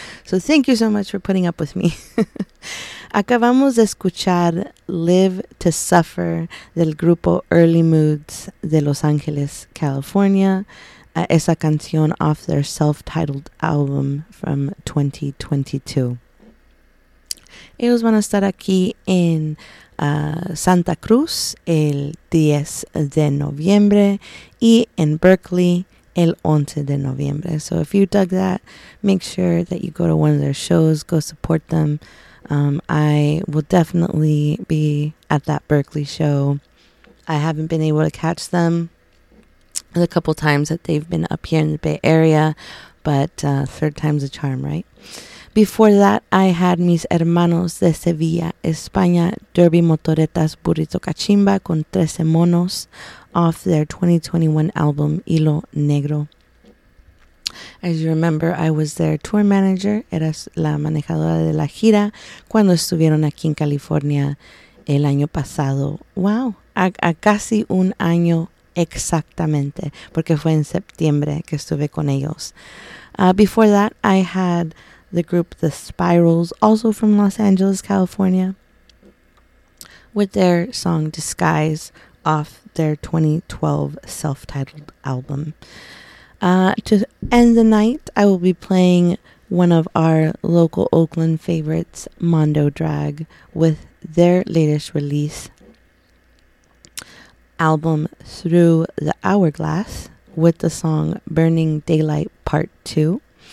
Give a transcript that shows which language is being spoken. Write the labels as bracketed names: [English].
[English] So thank you so much for putting up with me. [Spanish] Acabamos de escuchar Live to Suffer del grupo Early Moods de Los Ángeles, California. Esa canción [English] off their self-titled album from 2022. [Spanish] Ellos van a estar aquí en Santa Cruz el 10 de noviembre y en Berkeley el 11 de noviembre. [English] So if you dug that, make sure that you go to one of their shows, go support them. I will definitely be at that Berkeley show. I haven't been able to catch them a couple times that they've been up here in the Bay Area, but third time's a charm, right? Before that, I had Mis Hermanos de Sevilla, España, Derby Motoretas Burrito Cachimba con Trece Monos off their 2021 album Hilo Negro. As you remember, I was their tour manager, [Spanish] era la manejadora de la gira cuando estuvieron aquí en California el año pasado. [English] Wow, [Spanish] a casi un año exactamente, porque fue en septiembre que estuve con ellos. [English] Before that, I had the group The Spirals, also from Los Angeles, California, with their song Disguise off their 2012 self-titled album. To end the night, I will be playing one of our local Oakland favorites, Mondo Drag, with their latest release album Through the Hourglass with the song Burning Daylight Part 2.